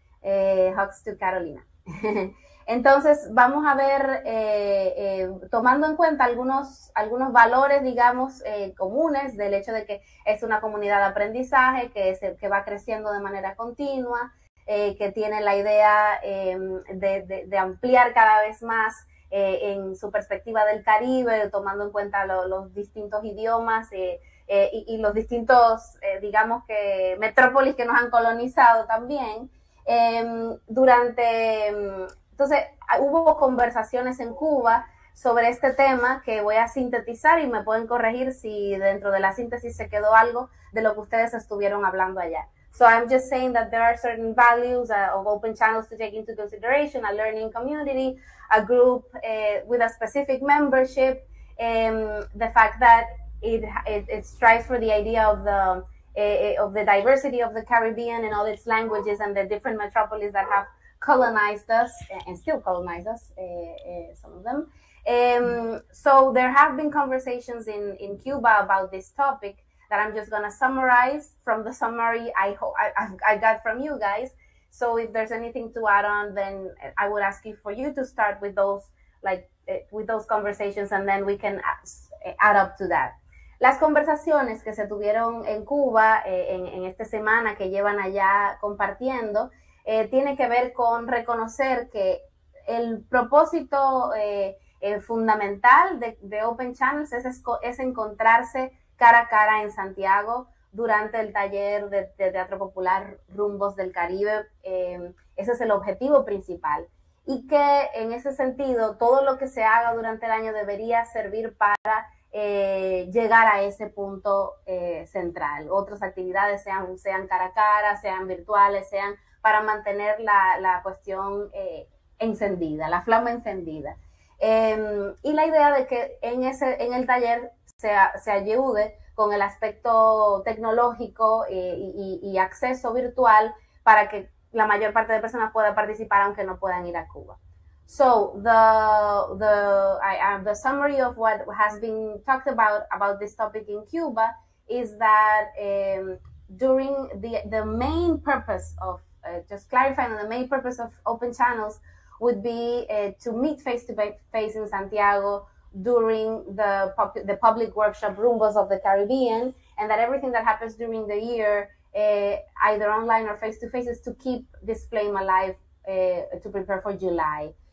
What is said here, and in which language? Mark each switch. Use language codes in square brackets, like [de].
[en] Hugs to Carolina. [es] Entonces, vamos a ver, tomando en cuenta algunos valores, digamos, comunes, del hecho de que es una comunidad de aprendizaje, que va creciendo de manera continua, que tiene la idea de ampliar cada vez más en su perspectiva del Caribe, tomando en cuenta los distintos idiomas y los distintos, digamos, que metrópolis que nos han colonizado también. Entonces, hubo conversaciones en Cuba sobre este tema que voy a sintetizar y me pueden corregir si dentro de la síntesis se quedó algo de lo que ustedes estuvieron hablando allá. [en] So I'm just saying that there are certain values of open channels to take into consideration: a learning community, a group with a specific membership, the fact that it strives for the idea of the diversity of the Caribbean and all its languages and the different metropolis that have colonized us and still colonize us, some of them. So there have been conversations in Cuba about this topic that I'm just gonna summarize from the summary I got from you guys. So if there's anything to add on, then I would ask you for you to start with those, like with those conversations, and then we can add up to that. [es] Las conversaciones que se tuvieron en Cuba en esta semana que llevan allá compartiendo tiene que ver con reconocer que el propósito fundamental de Open Channels es encontrarse cara a cara en Santiago durante el taller de Teatro Popular Rumbos del Caribe. Ese es el objetivo principal. Y que en ese sentido, todo lo que se haga durante el año debería servir para llegar a ese punto central. Otras actividades, sean cara a cara, sean virtuales, sean para mantener la cuestión encendida, la flama encendida. Y la idea de que en el taller se ayude con el aspecto tecnológico y acceso virtual para que la mayor parte de personas pueda participar aunque no puedan ir a Cuba. [en] So the summary of what has been talked about this topic in Cuba is that during the main purpose of just clarifying, the main purpose of open channels would be to meet face to face in Santiago during the public workshop Rumbos of the Caribbean, and that everything that happens during the year, either online or face to face, is to keep this flame alive to prepare for July.